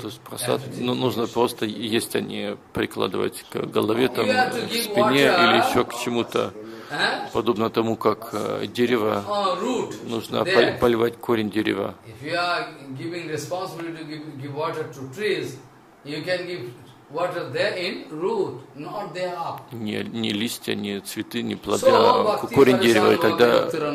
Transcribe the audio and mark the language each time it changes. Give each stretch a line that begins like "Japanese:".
Russian: То есть просад, ну нужно просто есть, а не прикладывать к голове там, к спине или еще к чему-то, подобно тому, как дерево. Нужно поливать корень дерева.
English: If you are giving responsibility to give water to trees, you can give water there in root, not there up.
Russian: Не листья, не цветы, не плоды, а корень дерева, и тогда.